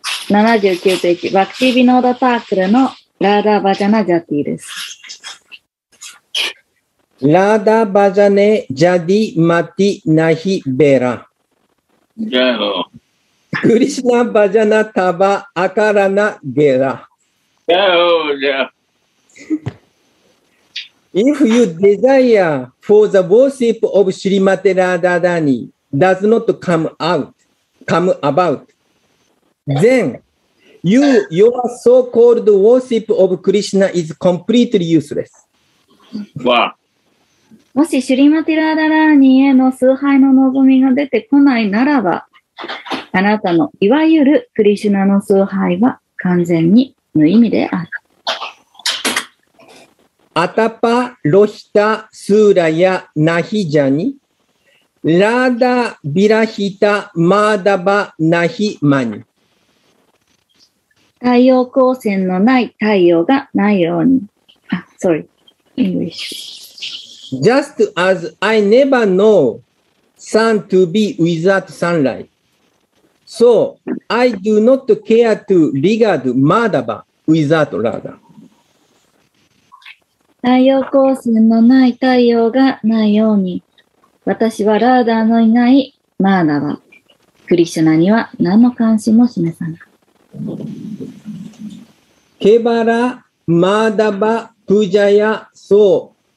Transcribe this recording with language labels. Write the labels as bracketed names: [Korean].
[Japanese] 79ページ、Bhakti Vinoda Thakur のラーダバジャナジャティです。 [Bangla] ラーダバジャネジャディマティナヒベラ。クリシナバジャナタバアカラナゲラ。 [English] Yeah, oh, yeah. If you desire for the worship of Srimati Radharani does not come about, then your so-called worship of Krishna is completely useless. Wow. [Japanese] もしシュリマティラダラーニへの崇拝の望みが出てこないならば、あなたのいわゆるクリシュナの崇拝は完全に無意味である。 [Bangla] アタパロヒタスーラヤナヒジャニ、ラダビラヒタマダバナヒマニ。 [Japanese] 太陽光線のない太陽がないように。 [English] あ、sorry, English. Just as I never know sun to be without sunlight, so I do not care to regard Madhava without Radha. [Japanese] 太陽光線のない太陽がないように、私はラーダのいないマーダバ。クリシュナには何の関心も示さない。 [Bangla] ケバラ、マーダバ、プジャヤ、ソウ。